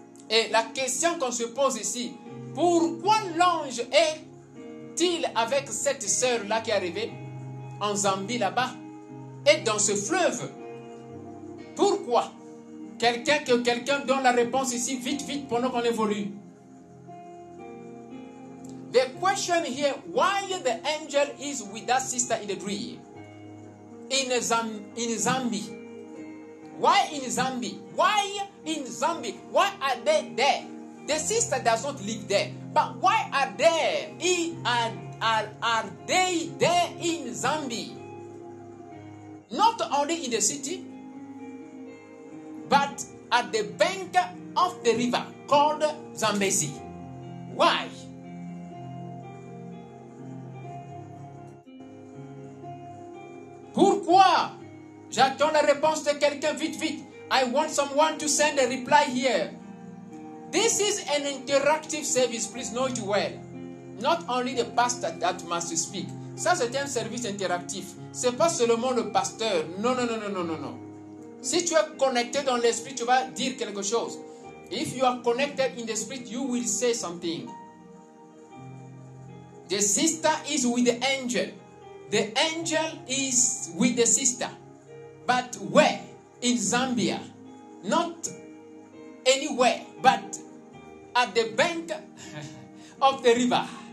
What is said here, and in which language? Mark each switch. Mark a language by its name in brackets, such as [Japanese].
[French] Et la question qu'on se pose ici, pourquoi l'ange est-il avec cette sœur-là qui est arrivée en Zambie là-bas et dans ce fleuve? Pourquoi? Quelqu'un donne la réponse ici, vite, pendant qu'on évolue. [English] The question here, why the angel is with that sister in the dream? in Zambia? Why in Zambia? Why in Zambia? Why are they there? The sister doesn't live there. But why are they? Are they there in Zambia? Not only in the city, but at the bank of the river called Zambezi. Why? [French] Pourquoi? J'attends la réponse de quelqu'un vite, vite. [English] I want someone to send a reply here. This is an interactive service. Please know it well. Not only the pastor that must speak. [French] Ça, c'est un service interactif. Ce n'est pas seulement le pasteur. Non, non, non, non, non, non, non. Si tu es connecté dans l'esprit, tu vas dire quelque chose. [English] If you are connected in the spirit, you will say something. The sister is with the angel. The angel is with the sister. But where? In Zambia. Not anywhere, but at the bank of the river.